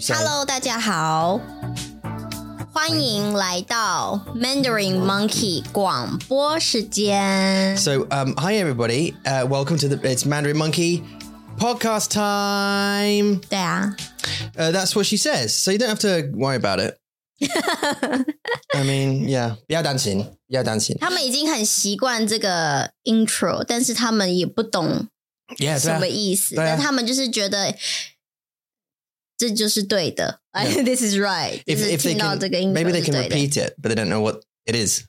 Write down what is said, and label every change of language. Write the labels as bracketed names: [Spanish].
[English] say, hello, [Chinese] 大家好。欢迎来到 Mandarin Monkey 广播时间。 [English] So, hi everybody, welcome to it's Mandarin Monkey podcast time. [Chinese] 对啊。 [English] That's what she says, so you don't have to worry about it. I mean, yeah, [Chinese] 不要担心，不要担心。他们已经很习惯这个 intro, 但是他们也不懂什么意思。对啊。但他们就是觉得这就是对的。 [English] Yeah. This is right. If they can, maybe they can repeat it, but they don't know what it is.